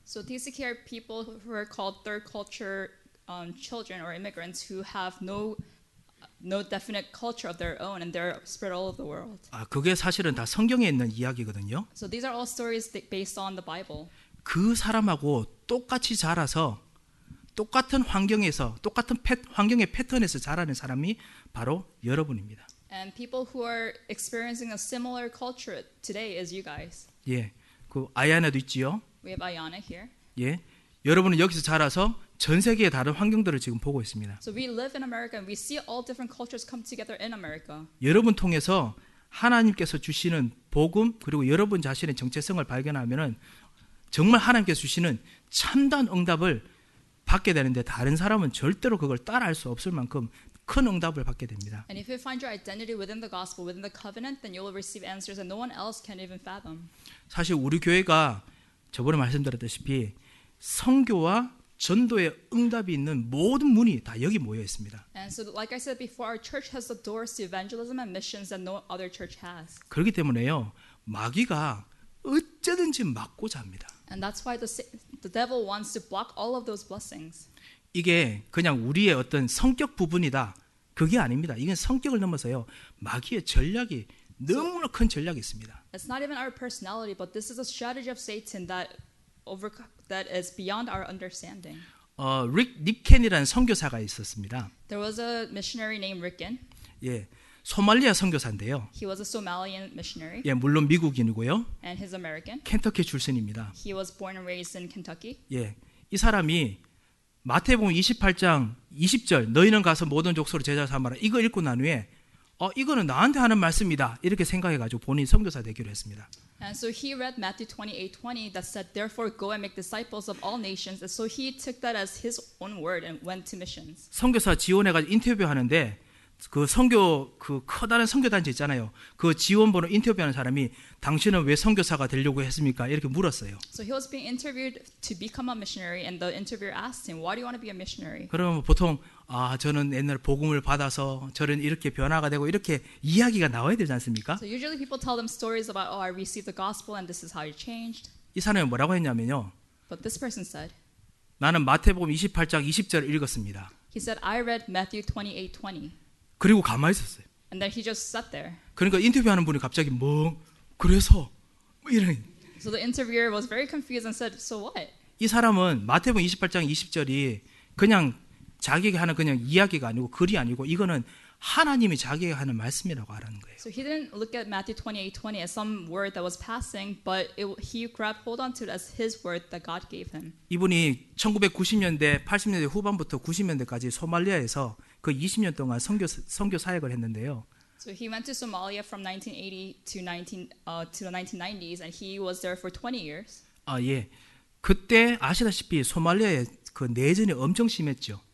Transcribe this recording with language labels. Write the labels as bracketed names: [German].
[English] So TCK are people who are called third culture children or immigrants who have no definite culture of their own and they're spread all over the world. [Korean] 아, 그게 사실은 다 성경에 있는 이야기거든요. [English] So these are all stories based on the Bible. [Korean] 그 사람하고 똑같이 자라서 똑같은 환경에서 똑같은 환경의 패턴에서 자라는 사람이 바로 여러분입니다. [English] And people who are experiencing a similar culture today is you guys. [Korean] 예. 그 아야나도 있지요. [English] We have Ayana here. [Korean] 예. 여러분은 여기서 자라서 전 세계의 다른 환경들을 지금 보고 있습니다. [English] So we live in America and we see all different cultures come together in America. [Korean] 여러분 통해서 하나님께서 주시는 복음 그리고 여러분 자신의 정체성을 발견하면은 정말 하나님께서 주시는 참다운 응답을 받게 되는데 다른 사람은 절대로 그걸 따라할 수 없을 만큼 큰 응답을 받게 됩니다. [English] And if you find your identity within the gospel, within the covenant, then you will receive answers that no one else can even fathom. [Korean] 사실 우리 교회가 저번에 말씀드렸다시피 선교와 전도에 응답이 있는 모든 문이 다 여기 모여 있습니다. [English] And so like I said before our church has the doors to evangelism and missions that no other church has. [Korean] 그렇기 때문에요. 마귀가 어쩌든지 막고자 합니다. [English] And that's why the devil wants to block all of those blessings. [Korean] 이게 그냥 우리의 어떤 성격 부분이다. 그게 아닙니다. 이건 성격을 넘어서요. 마귀의 전략이 너무나 큰 전략이 있습니다. [English] It's not even our personality but this is a strategy of Satan that is beyond our understanding. [Korean] 릭 니켄이라는 선교사가 있었습니다. [English] There was a missionary named Ricken. [Korean] 예, 소말리아 선교사인데요. [English] He was a Somalian missionary. [Korean] 예, 물론 미국인이고요. [English] And he's American. [Korean] 켄터키 출신입니다. [English] He was born and raised in Kentucky. [Korean] 예, 이 사람이 마태복음 28장 20절 너희는 가서 모든 족속을 제자 삼아라 이거 읽고 난 후에 이거는 나한테 하는 말씀이다 이렇게 생각해가지고 본인 선교사 되기로 했습니다. [English] And so he read Matthew 28:20 that said, "Therefore, go and make disciples of all nations." And so he took that as his own word and went to missions. [Korean] 선교사 지원해가지고 인터뷰하는데 그 선교 그 커다란 선교단체 있잖아요. 그 지원번호 인터뷰하는 사람이 당신은 왜 선교사가 되려고 했습니까? 이렇게 물었어요. [English] So he was being interviewed to become a missionary, and the interviewer asked him, "Why do you want to be a missionary?" [Korean] 그러면 보통 아 저는 옛날 복음을 받아서 저는 이렇게 변화가 되고 이렇게 이야기가 나와야 되지 않습니까? [English] So usually people tell them stories about, "Oh, I received the gospel, and this is how you changed." [Korean] 이 사람이 뭐라고 했냐면요. [English] But this person said, [Korean] 나는 마태복음 28장 20절을 읽었습니다. [English] He said, "I read Matthew 28:20." [Korean] 그리고 가만히 있었어요. [English] And then he just sat there. [Korean] 그러니까 인터뷰하는 분이 갑자기 뭐 그래서 뭐 이런. [English] So the interviewer was very confused and said, "So what?" [Korean] 이 사람은 마태복음 28장 20절이 그냥 자기에게 하는 그냥 이야기가 아니고 글이 아니고 이거는 하나님이 자기에게 하는 말씀이라고 하는 거예요. [English] So he didn't look at Matthew 28:20 as some word that was passing, but he grabbed hold onto it as his word that God gave him. [Korean] 이분이 1990년대, 80년대 후반부터 90년대까지 소말리아에서 그 20년 동안 선교 사역을 했는데요. [English] So he went to Somalia from 1980 to the 1990s and he was there for 20 years. [Korean] 아 예. 그때 아시다시피 소말리아에 그 내전이 엄청 심했죠.